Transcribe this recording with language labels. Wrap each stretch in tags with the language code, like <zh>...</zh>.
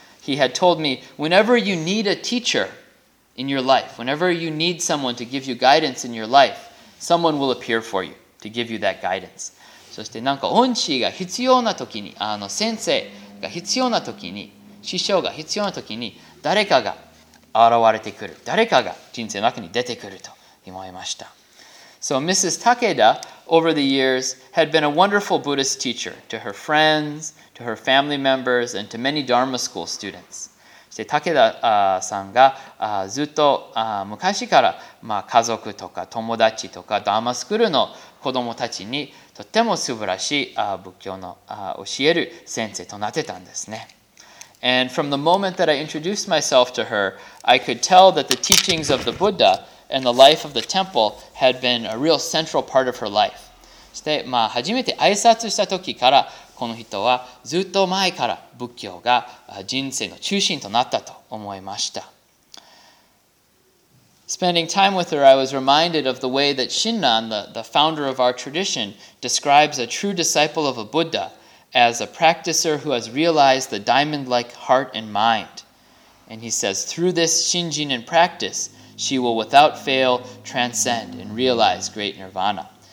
<en>He had told me, whenever you need a teacher in your life, whenever you need someone to give you guidance in your life, someone will appear for you to give you that guidance.</en> <ja>そして、なんか恩師が必要な時に、先生が必要な時に、師匠が必要な時に、誰かが現れてくる、誰かが人生の中に出てくると思いました。</ja> <en>So Mrs. Takeda, over the years, had been a wonderful Buddhist teacher to her friends, to her family members, and to many Dharma school students.</en> <ja>そして武田さんがずっと昔から、まあ、家族とか友達とかダーマスクールの子どもたちにとっても素晴らしい仏教の教える先生となってたんですね。</ja> <en>And from the moment that I introduced myself to her, I could tell that the teachings of the Buddha and the life of the temple had been a real central part of her life.</en> <ja>そして、まあ、初めて挨拶した時からこの人はずっと前から仏教が人生の中心となったと思いました。</ja> <en>Spending time with her, I was reminded of the way that Shinran, the founder of our tradition, describes a true disciple of a Buddha as a practicer who has realized the diamond-like heart and mind. And he says, through this Shinjin and practice, she will without fail transcend and realize great nirvana.</en>